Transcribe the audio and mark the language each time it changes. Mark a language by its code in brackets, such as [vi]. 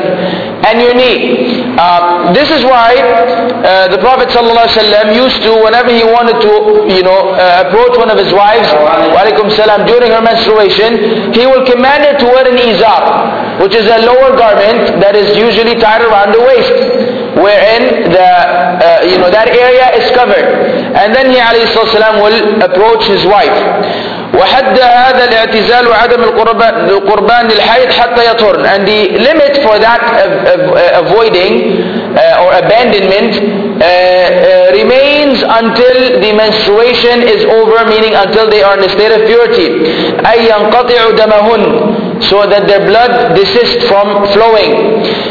[en] And your knee. This is why the Prophet ﷺ used to, whenever he wanted to, approach one of his wives, walaikum salam, during her menstruation, he will command her to wear an izar, which is a lower garment that is usually tied around the waist, wherein the that area is covered. And then he [ar] عليه الصلاة والسلام [en] will approach his wife. [ar] وحد هذا الاعتزال وعدم القربان للحيض حتى يطهرن. [en] And the limit for that avoiding or abandonment remains until the menstruation is over, meaning until they are in a state of purity. [ar] أي ينقطع دمهن, [en] so that their blood desists from flowing.